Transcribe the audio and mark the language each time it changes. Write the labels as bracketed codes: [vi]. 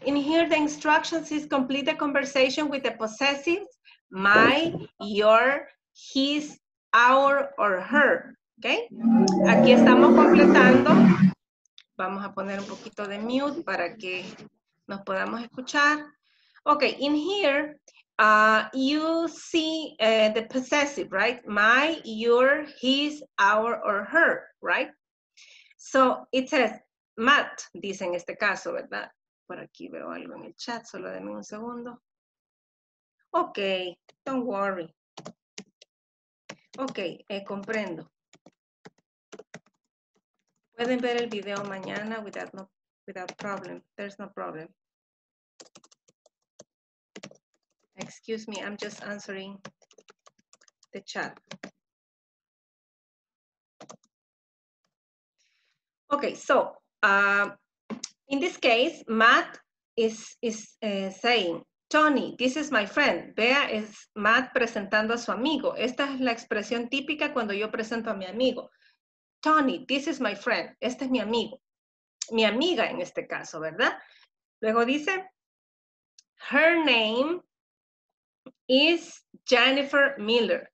[en] In here, the instructions is complete the conversation with the possessives, my, your, his, our or her, okay? [es] Aquí estamos completando. Vamos a poner un poquito de mute para que nos podamos escuchar. [en] Okay, in here, you see the possessive, right? My, your, his, our or her, right? So it says, [es] Matt, dice en este caso, ¿verdad? Por aquí veo algo en el chat, solo denme un segundo. [en] Okay, don't worry. Ok, [es] comprendo. Pueden ver el video mañana [en] without problem. There's no problem. Excuse me, I'm just answering the chat. Ok, so, in this case, Matt is saying, Tony, this is my friend. [es] Bea es Matt presentando a su amigo. Esta es la expresión típica cuando yo presento a mi amigo. [en] Tony, this is my friend. [es] Este es mi amigo. Mi amiga en este caso, ¿verdad? Luego dice, [en] her name is Jennifer Miller.